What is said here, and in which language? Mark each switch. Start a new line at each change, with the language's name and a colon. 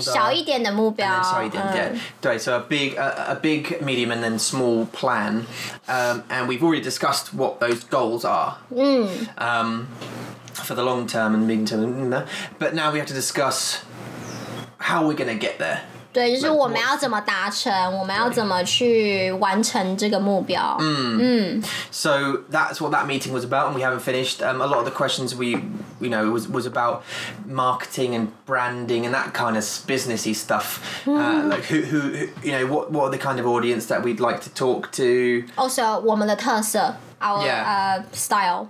Chinese: 小一点的目标,
English: and then
Chinese: 小一点, 对,
English: so a big, medium, and then small plan. And we've already discussed what those goals are. For the long-term and medium-term. But now we have to discuss... How are we going to get there?
Chinese: 对，就是我们要怎么达成，我们要怎么去完成这个目标。
English: So that's what that meeting was about, and we haven't finished. A lot of the questions was about marketing and branding and that kind of businessy stuff. Like what are the kind of audience that we'd like to talk to?
Chinese: Also, 我们的特色 style.